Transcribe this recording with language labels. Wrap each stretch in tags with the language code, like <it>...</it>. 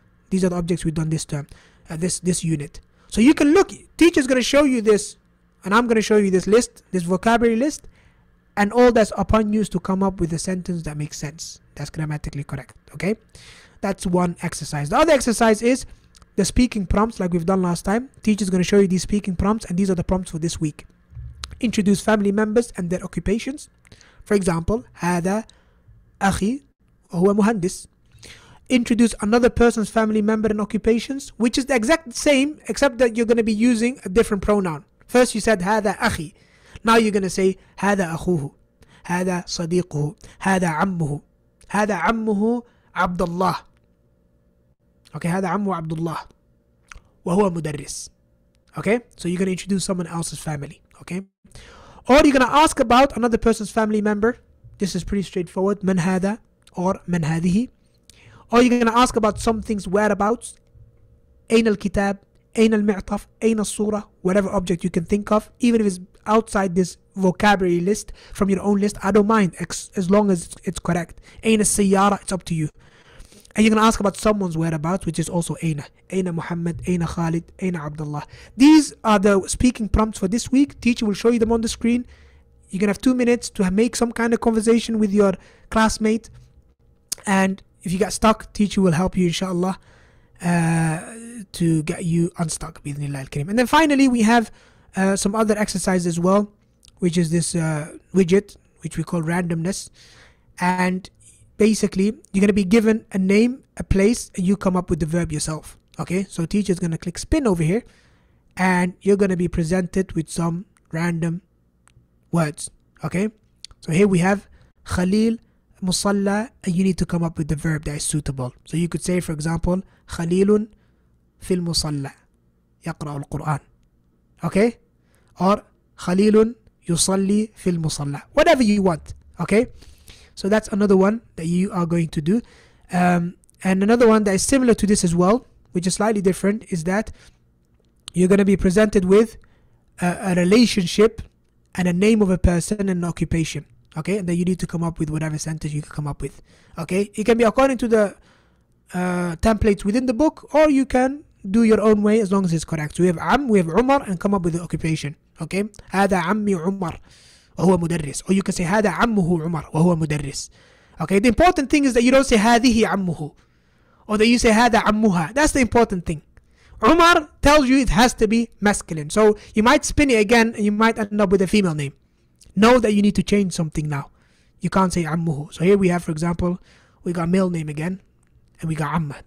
<en>These are the objects we've done this term, this unit. So you can look, teacher's going to show you this, and I'm going to show you this list, this vocabulary list, and all that's upon you is to come up with a sentence that makes sense, that's grammatically correct, okay? That's one exercise. The other exercise is the speaking prompts, like we've done last time. Teacher's going to show you these speaking prompts, and these are the prompts for this week. Introduce family members and their occupations. For example,</en> <ar>هذا أخي وهو مهندس.</ar> <en>Introduce another person's family member and occupations, which is the exact same, except that you're going to be using a different pronoun. First you said,</en> <ar>هذا أخي.</ar> <en>Now you're going to say,</en> <ar>هذا أخوه. هذا صديقه. هذا عمه. هذا عمه عبد الله. Okay, هذا عمه عبد الله. وهو مدرس.</ar> <en>Okay, so you're going to introduce someone else's family. Okay, or you're going to ask about another person's family member. This is pretty straightforward.</en> <ar>من هذا or من هذه.</ar> <en>Or you're going to ask about some things, whereabouts.</en> <ar>أين الكتاب, أين المعطف, أين الصورة,</ar> <en>whatever object you can think of, even if it's outside this vocabulary list, from your own list, I don't mind, as long as it's correct.</en> <ar>أين السيارة,</ar> <en>it's up to you. And you're going to ask about someone's whereabouts, which is also أين.</en> <ar>أين محمد, أين خالد, أين عبد الله.</ar> <en>These are the speaking prompts for this week. Teacher will show you them on the screen. You're going to have 2 minutes to make some kind of conversation with your classmate. And if you get stuck, teacher will help you, inshallah, to get you unstuck,</en> <ar>bismillah al-kareem.</ar> <en>And then finally, we have some other exercises as well, which is this widget, which we call randomness. And basically, you're going to be given a name, a place, and you come up with the verb yourself. Okay, so teacher is going to click spin over here, and you're going to be presented with some random words. Okay, so here we have Khalil Musalla, and you need to come up with the verb that is suitable. So you could say, for example, خليل</en> <ar>في المصلى يقرأ القرآن. Okay? Or خليل يصلي في المصلى.</ar> <en>Whatever you want. Okay? So that's another one that you are going to do. And another one that is similar to this as well, which is slightly different, is that you're going to be presented with a relationship and a name of a person and an occupation. Okay? And then you need to come up with whatever sentence you can come up with. Okay? It can be according to the templates within the book, or you can do your own way as long as it's correct. So we have Am, we have Umar, and come up with the occupation.</en> <ar>Okay? هذا عمي عمر وهو مدرس.</ar> <en>Or you can say</en> <ar>هذا عمه عمر وهو مدرس.</ar> <en>Okay? The important thing is that you don't say</en> <ar>هذه عمه,</ar> <en>or that you say</en> <ar>هذا عمها.</ar> <en>That's the important thing. Umar tells you it has to be masculine. So you might spin it again and you might end up with a female name. Know that you need to change something now. You can't say عمه. So here we have, for example, we got male name again and we got عمه.</en>